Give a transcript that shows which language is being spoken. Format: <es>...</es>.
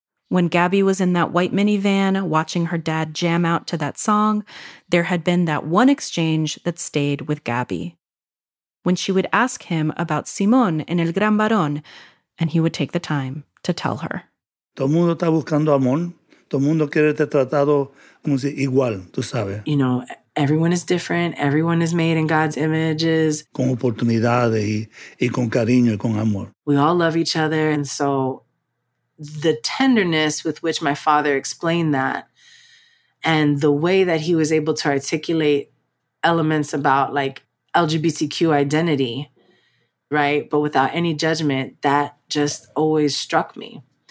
<en>When Gabby was in that white minivan watching her dad jam out to that song, there had been that one exchange that stayed with Gabby. When she would ask him about Simón en El Gran Varón, and he would take the time to tell her.</en> <es>Todo mundo está buscando amor. Todo mundo quiere ser tratado como si igual, tú sabes.</es> <en>You know, everyone is different. Everyone is made in God's images.</en> <es>Con oportunidades y con cariño y con amor.</es> <en>We all love each other, and so the tenderness with which my father explained that and the way that he was able to articulate elements about like LGBTQ identity, right? But without any judgment, that just always struck me.</en>